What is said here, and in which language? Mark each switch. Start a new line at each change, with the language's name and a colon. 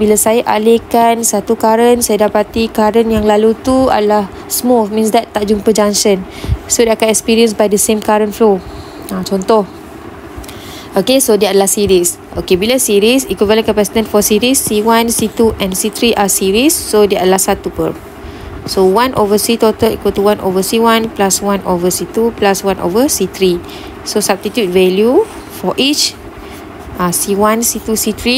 Malay: Bila saya alihkan satu current, saya dapati current yang lalu tu adalah smooth.
English: Means that
Malay: tak jumpa
English: junction. So,
Malay: dia akan
English: experience by the same current flow.
Malay: Contoh.
English: Okay, so
Malay: dia adalah
English: series. Okay,
Malay: bila
English: series, equivalent capacitance for series, C1, C2 and C3 are series. So,
Malay: dia adalah satu per.
English: So 1 over C total equal to 1 over C1 plus 1 over C2 plus 1 over C3. So substitute value for each C1, C2, C3.